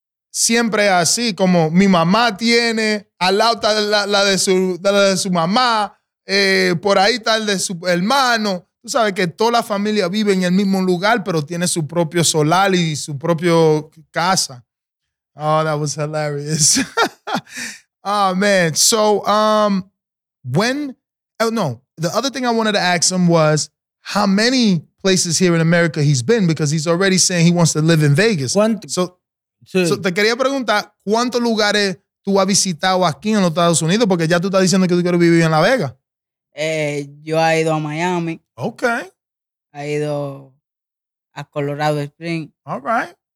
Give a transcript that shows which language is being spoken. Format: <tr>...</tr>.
<es>siempre así, como mi mamá tiene, al lado está la de su mamá, por ahí está el de su hermano. Tú sabes que toda la familia vive en el mismo lugar, pero tiene su propio solar y su propio casa.</es> <en>Oh, that was hilarious. Oh, man. So, the other thing I wanted to ask him was how many places here in America he's been, because he's already saying he wants to live in Vegas.</en> <es>So, te quería preguntar, ¿cuántos lugares tú has visitado aquí en los Estados Unidos? Porque ya tú estás diciendo que tú quieres vivir en La Vega. Yo he ido a Miami.</es> <en>Okay.</en> <es>He ido a Colorado Springs.</es> <en>All right.</en>